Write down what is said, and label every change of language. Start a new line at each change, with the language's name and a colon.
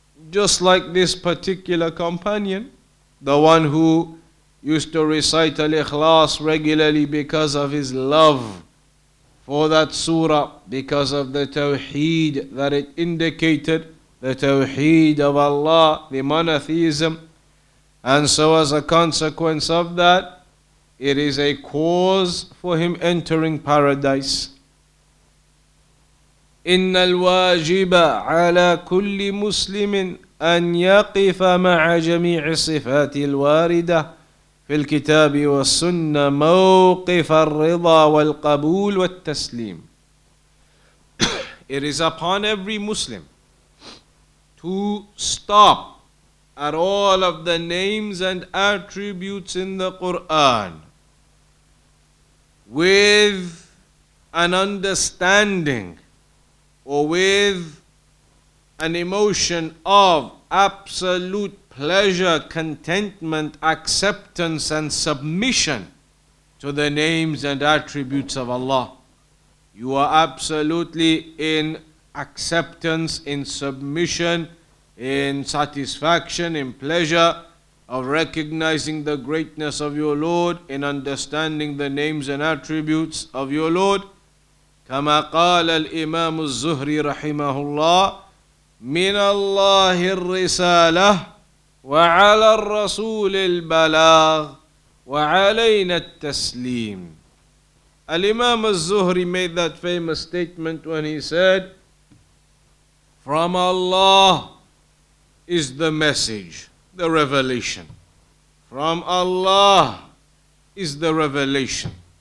English: Just like this particular companion, the one who used to recite Al-Ikhlas regularly because of his love for that surah, because of the Tawheed that it indicated, the Tawheed of Allah, the monotheism. And so as a consequence of that, it is a cause for him entering paradise.
Arabic: إِنَّ الْوَاجِبَ عَلَىٰ كُلِّ مُسْلِمٍ أَنْ يَقِفَ مَعَ جَمِيعِ الصِّفَاتِ الْوَارِدَةِ في الكتاب والسنة موقف الرضا والقبول والتسليم.
English: It is upon every Muslim to stop at all of the names and attributes in the Quran with an understanding or with an emotion of absolute pleasure, contentment, acceptance, and submission to the names and attributes of Allah. You are absolutely in acceptance, in submission, in satisfaction, in pleasure of recognizing the greatness of your Lord, in understanding the names and attributes of your Lord.
Arabic: كما قال الإمام الزهري رحمه الله من الله الرسالة وعلى الرسول البلاغ وعلينا التسليم.
English: الإمام الزهري made that famous statement when he said, from Allah is the message, the revelation. From Allah is the revelation.